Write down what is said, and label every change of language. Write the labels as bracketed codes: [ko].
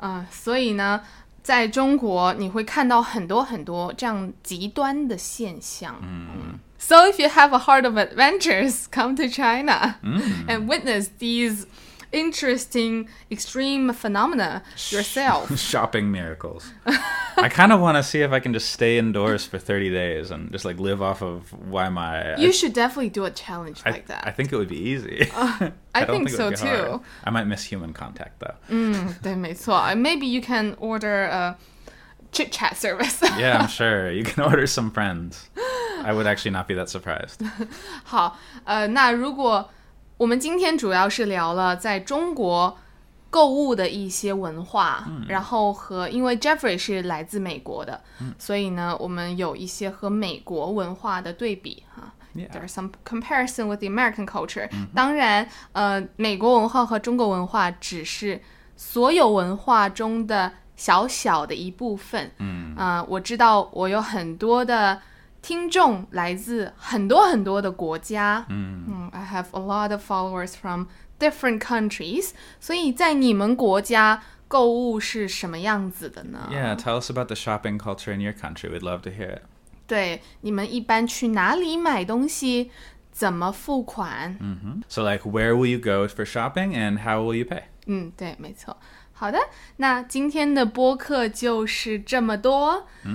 [zh] 所以呢，在中国你会看到很多很多这样极端的现象。 [en] So if you have a heart of adventures, come to China and witness these interesting extreme phenomena yourself. Shopping miracles. I kind of want to see if I can just stay indoors for 30 days and just like live off of Waimai. You should definitely do a challenge like that. I think it would be easy. I think so too. Hard. I might miss human contact though. [zh] 对，没错。 [en] Maybe you can order a chit-chat service. Yeah, I'm sure. You can order some friends. I would actually not be that surprised. [zh] 好，那如果我们今天主要是聊了在中国购物的一些文化，然后和因为 Jeffrey 是来自美国的，所以呢，我们有一些和美国文化的对比哈。 [en] There's some comparison with the American culture. [zh] 当然，美国文化和中国文化只是所有文化中的小小的一部分。我知道我有很多的听众来自很多很多的国家。 [en] I have a lot of followers from different countries. [zh] 所以在你们国家购物是什么样子的呢？ [en] Yeah, tell us about the shopping culture in your country. We'd love to hear it. [zh] 对，你们一般去哪里买东西？怎么付款？ [en] So like, where will you go for shopping and how will you pay? [zh] 对，没错。好的，那今天的播客就是这么多。